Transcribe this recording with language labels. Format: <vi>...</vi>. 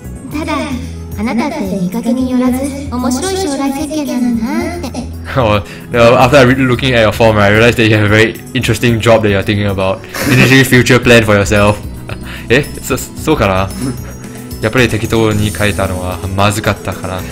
<ja>ただ、あなたって見かけによらず面白い将来設計なのなって。</ja> <en>After looking at your form, I realized that you have a very interesting job that you're thinking about. Initially, future plan for yourself. So かな?</en> <ja>やっぱり適当に書いたのはまずかったかな?</ja>